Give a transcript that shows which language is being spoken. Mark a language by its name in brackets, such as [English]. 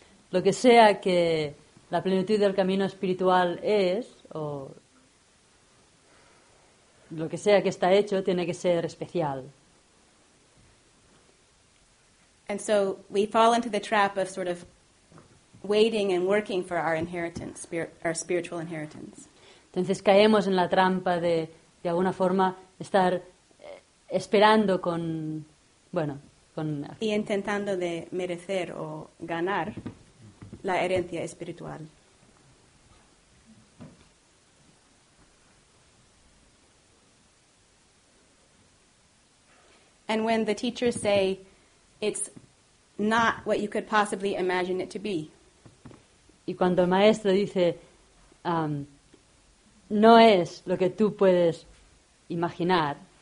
[Spanish] Lo que sea que la plenitud del camino espiritual es, o lo que sea que está hecho, tiene que ser especial. [English] And so we fall into the trap of sort of waiting and working for our inheritance, our spiritual inheritance. [Spanish] Entonces caemos en la trampa de alguna forma, estar esperando con, bueno, con... Y intentando de merecer o ganar la herencia espiritual. [English] And when the teachers say it's not what you could possibly imagine it to be. [Spanish] Y cuando el maestro dice no es lo que tú puedes imaginar,